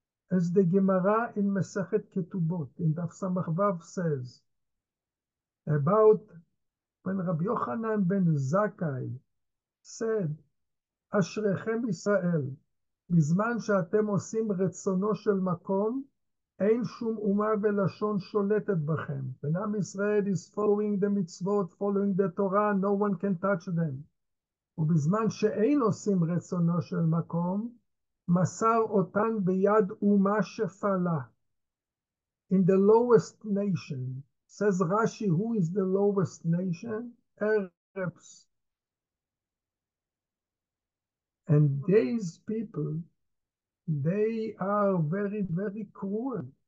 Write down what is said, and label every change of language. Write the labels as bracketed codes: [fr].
[en] As the Gemara in Masechet Ketubot, in Daf Samach Vav, says about when Rabbi Yochanan ben Zakkai said, Ashrechem Israel, [he] בזמן שאתם עושים רצונו של מקום, אין שום אומה ולשון שולטת בכם. [en] ועם ישראל is following the mitzvot, following the Torah, no one can touch them. [he] ובזמן שאין עושים רצונו של מקום, מסר אותן ביד אומה שפלה. [en] In the lowest nation, says Rashi, who is the lowest nation? Arabs. And these people, they are very, very cruel.